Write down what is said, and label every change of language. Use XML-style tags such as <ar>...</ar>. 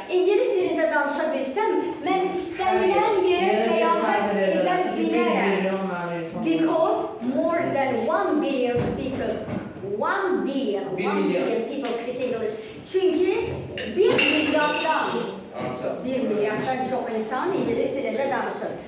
<az>İngiliz dilinde danışabilsem, ben istenilen yere seyahat edebilirim.</az> <en>Because more than 1 billion people, 1 billion people speak English.</en> <az>Çünkü 1 milyardan çok insan İngiliz dilinde danışır.</az>